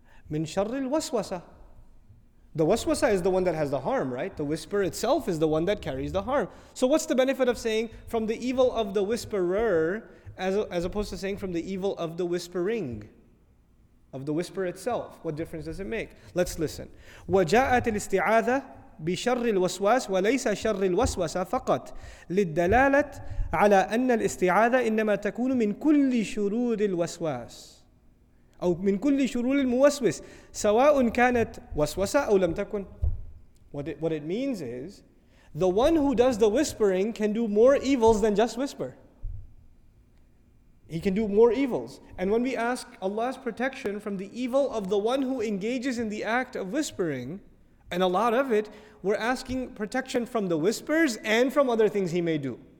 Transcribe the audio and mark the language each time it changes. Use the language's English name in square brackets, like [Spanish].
[Arabic] Min sharril waswasa. [English] The waswasa is the one that has the harm, right? The whisper itself is the one that carries the harm. So what's the benefit of saying from the evil of the whisperer as opposed to saying from the evil of the whispering? Of the whisper itself. What difference does it make? Let's listen. [Arabic] وجاءت الاستعاذة بشر الوسواس وليس شر الوسواس فقط للدلالة على أن الاستعاذة إنما تكون من كل شرور الوسواس أو من كل شرور الموسوس سواء كانت وسوسة أو لم تكن. [English] What it means is, the one who does the whispering can do more evils than just whisper. He can do more evils. And when we ask Allah's protection from the evil of the one who engages in the act of whispering, and a lot of it, we're asking protection from the whispers and from other things he may do.